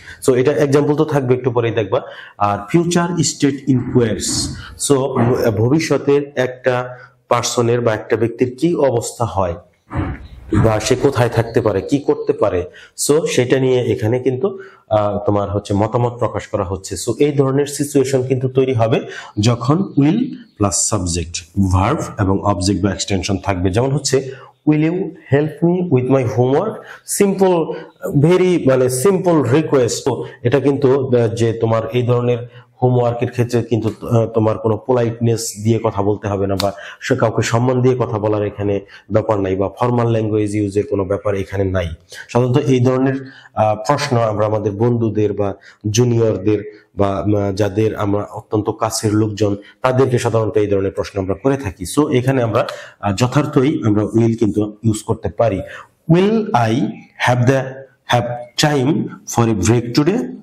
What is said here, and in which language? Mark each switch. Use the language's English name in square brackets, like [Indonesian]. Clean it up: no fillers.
[Bangla] So এটা example তো থাকবে একটু পরেই দেখবা। আর ফিউচার স্টেট ইনকোয়ারস, সো ভবিষ্যতের একটা পার্সনের বা একটা ব্যক্তির কি অবস্থা হয় বা সে কোথায় থাকতে পারে, কি করতে পারে, সো সেটা নিয়ে এখানে কিন্তু তোমার হচ্ছে মতামত প্রকাশ করা হচ্ছে। সো এই ধরনের সিচুয়েশন কিন্তু তৈরি হবে যখন উইল প্লাস সাবজেক্ট, ভার্ব এবং অবজেক্ট বা এক্সটেনশন থাকবে, যেমন হচ্ছে [English] will you help me with my homework? Simple, very মানে simple request. [Bangla] So এটা কিন্তু যে তোমার এই ধরনের homework এর ক্ষেত্রে কিন্তু তোমার কোনো politeness দিয়ে কথা বলতে হবে না বা সে কাউকে সম্মান দিয়ে কথা বলার এখানে ব্যাপার নাই বা formal language use এর কোনো ব্যাপার এখানে নাই। সাধারণত এই ধরনের প্রশ্ন আমরা আমাদের বন্ধুদের বা জুনিয়রদের বা যাদের আমরা অত্যন্ত কাছের লোকজন তাদেরকে সাধারণত এই ধরনের প্রশ্ন আমরা করে থাকি। সো এখানে আমরা যথার্থই আমরা will কিন্তু ইউজ করতে পারি। [English] Will I have time for a break today?